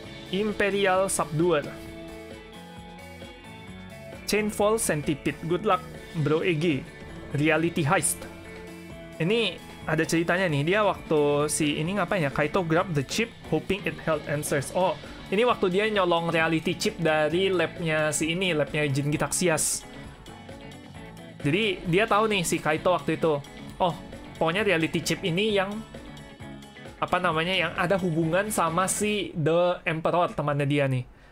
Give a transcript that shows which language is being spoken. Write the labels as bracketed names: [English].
[English] Imperial Subduer. Chainfall Centipede. Good luck, Bro Egi. Reality Heist. [Indonesian] Ini ada ceritanya nih. Dia waktu si ini ngapain ya? [English] Kaito grab the chip, hoping it held answers. [Indonesian] Oh, ini waktu dia nyolong reality chip dari labnya si ini, labnya Jin Gitaxias. Jadi, dia tahu nih si Kaito waktu itu. Oh, pokoknya reality chip ini yang... apa namanya, yang ada hubungan sama si The Emperor, temannya dia nih.